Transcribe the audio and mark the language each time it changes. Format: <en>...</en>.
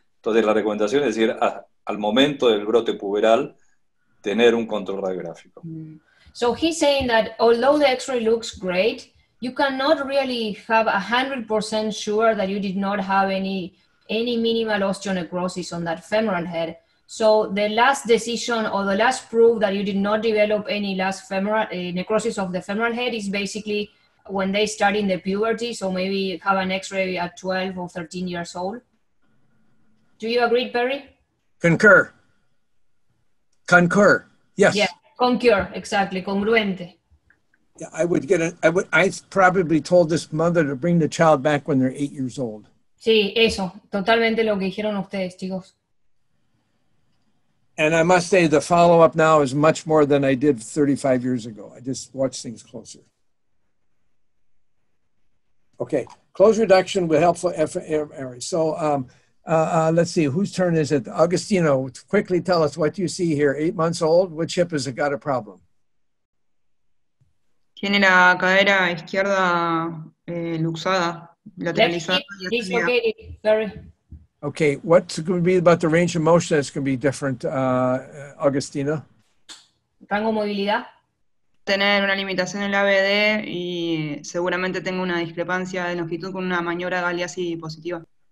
<es>Entonces la recomendación es decir, al momento del brote puberal, tener un control radiográfico.</es> <en>So he's saying that although the x-ray looks great, you cannot really have 100% sure that you did not have any minimal osteonecrosis on that femoral head. So the last decision or the last proof that you did not develop any last femoral necrosis of the femoral head is basically when they start in the puberty, so maybe have an x-ray at 12 or 13 years old. Do you agree, Perry? Concur. Yes. Yeah, concur, exactly, congruente. Yeah, I probably told this mother to bring the child back when they're 8 years old.</en> <es>Sí, eso, totalmente lo que dijeron ustedes, chicos.</es> <en>And I must say the follow-up now is much more than I did 35 years ago. I just watch things closer. Okay, close reduction with helpful area. So Let's see, whose turn is it? Augustino, quickly tell us what you see here. 8 months old, which hip has got a problem?</en> <es>Tiene la cadera izquierda luxada, lateralizada.</es> <en>Okay, what's it going to be about the range of motion that's going to be different, Augustina?</en> <es>Tengo movilidad. Tener una limitación en la BD y seguramente tengo una discrepancia de longitud con una maniobra Galeazzi positiva.</es>